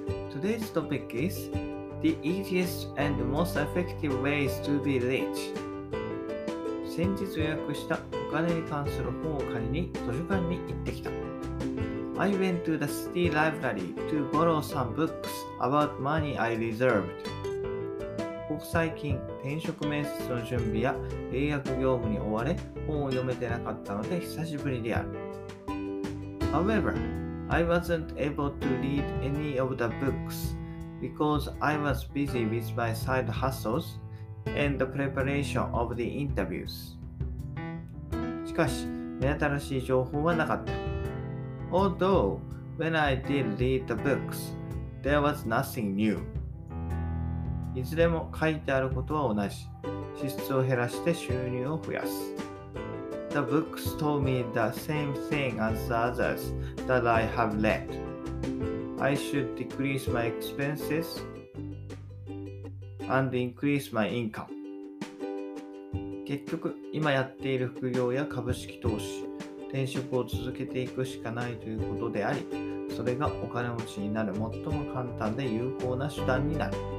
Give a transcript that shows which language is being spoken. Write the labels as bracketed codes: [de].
[en] Today's topic is the easiest and most effective ways to be rich. [ja] 先日予約したお金に関する本を借りに図書館に行ってきた。 [en] I went to the city library to borrow some books about money I reserved. [ja] 国際金、転職面接の準備や英訳業務に追われ、本を読めてなかったので久しぶりである。 [en] However, I wasn't able to read any of the books because I was busy with my side hustles and the preparation of the interviews. [ja] しかし、目新しい情報はなかった。 [en] Although, when I did read the books, there was nothing new. [ja] いずれも書いてあることは同じ。支出を減らして収入を増やす。 [en] The books told me the same thing as the others that I have read. I should decrease my expenses and increase my income. [ja] 結局、今やっている副業や株式投資、転職を続けていくしかないということであり、それがお金持ちになる最も簡単で有効な手段になる。